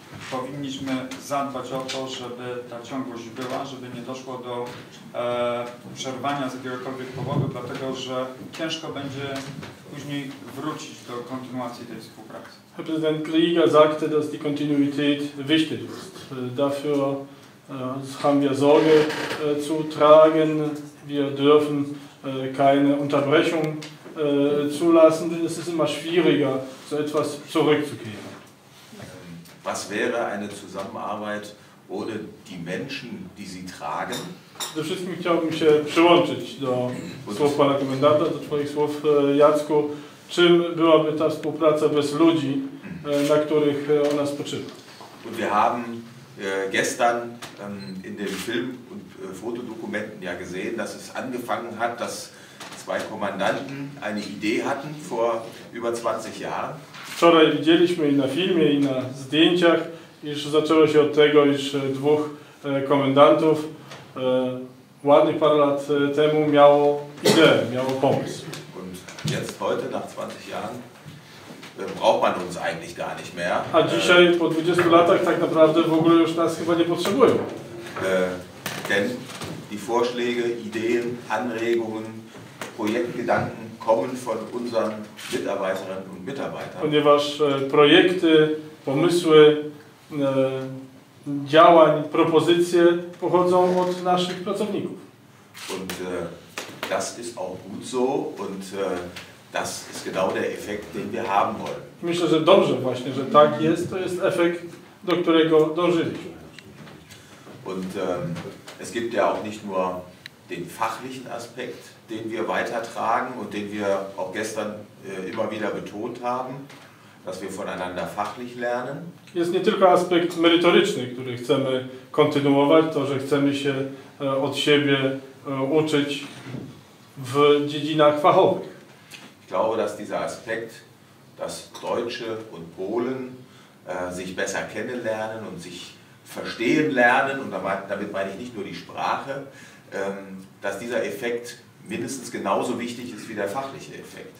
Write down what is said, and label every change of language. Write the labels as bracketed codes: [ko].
[pl] Powinniśmy zadbać o to, żeby ta ciągłość była, żeby nie doszło do przerwania z jakiegokolwiek powodu, dlatego że ciężko będzie później wrócić do kontynuacji tej współpracy. [de] Herr Präsident Krieger sagte, dass die Kontinuität wichtig ist. Dafür haben wir Sorge zu tragen. Wir dürfen keine Unterbrechung zulassen. Es ist immer schwieriger, so etwas zurückzukehren. Was wäre eine Zusammenarbeit ohne die Menschen, die Sie tragen? [pl] Przede wszystkim chciałbym się przyłączyć do słów pana komendanta, do twoich słów, Jacku. Czym byłaby ta współpraca bez ludzi, na których ona spoczywa? [de] Und wir haben gestern in den Film- und Fotodokumenten ja gesehen, dass es angefangen hat, dass zwei Kommandanten eine Idee hatten vor über 20 Jahren. [pl] Wczoraj widzieliśmy i na filmie, i na zdjęciach, iż zaczęło się od tego, iż dwóch komendantów ładnie parę lat temu miało ideę, miało pomysł. [de] Jetzt heute nach 20 Jahren braucht man uns eigentlich gar nicht mehr. [pl] A dzisiaj po 20 latach tak naprawdę w ogóle już nas chyba nie potrzebują. [de] Denn die Vorschläge, Ideen, Anregungen, Projektgedanken kommen von unseren Mitarbeiterinnen und Mitarbeitern. [pl] Ponieważ projekty, pomysły, działań, propozycje pochodzą od naszych pracowników. [de] Und das ist auch gut so und das ist genau der Effekt, den wir haben wollen. [pl] Myślę, że dobrze właśnie, że tak jest, to jest efekt, do którego dążyliśmy. [de] Und es gibt ja auch nicht nur den fachlichen Aspekt, den wir weitertragen und den wir auch gestern immer wieder betont haben, dass wir voneinander fachlich lernen. [pl] Jest nie tylko aspekt merytoryczny, który chcemy kontynuować, to, że chcemy się od siebie uczyć w dziedzinach fachowych. [de] Ich glaube, dass dieser Aspekt, dass Deutsche und Polen sich besser kennenlernen und sich verstehen lernen, und damit meine ich nicht nur die Sprache, dass dieser Effekt mindestens genauso wichtig ist wie der fachliche Effekt.